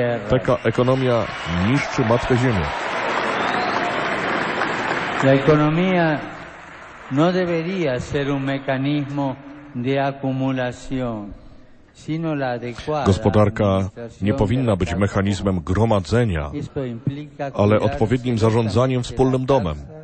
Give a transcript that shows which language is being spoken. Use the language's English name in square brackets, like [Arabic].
[Polish] Taka ekonomia niszczy Matkę Ziemię. [Spanish] La economía no debería ser un mecanismo de acumulación, sino la adecuada. [Polish] Gospodarka nie powinna być mechanizmem gromadzenia, ale odpowiednim zarządzaniem wspólnym domem.